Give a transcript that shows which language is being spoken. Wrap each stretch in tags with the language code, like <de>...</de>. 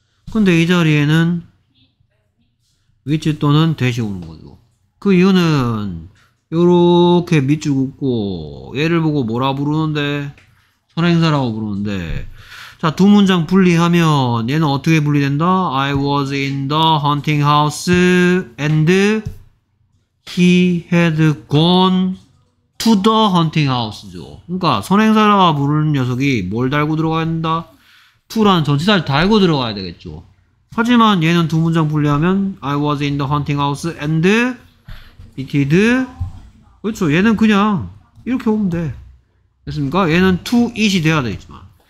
<ko>근데 이 자리에는 which 또는 대시 오는 거죠. 그 이유는 요렇게 밑줄 긋고 얘를 보고 뭐라 부르는데? 선행사라고 부르는데. 자, 두 문장 분리하면 얘는 어떻게 분리된다?</ko> <en>I was in the hunting house and he had gone to the hunting house죠.</en> <ko>그러니까 선행사라고 부르는 녀석이 뭘 달고 들어가야 된다? to라는 전치사를 달고 들어가야 되겠죠. 하지만 얘는 두 문장 분리하면</ko> <en>I was in the hunting house and it did.</en> <ko>그렇죠. 얘는 그냥 이렇게 오면 돼. 됐습니까? 얘는 to it이 돼야 되겠지만.</ko>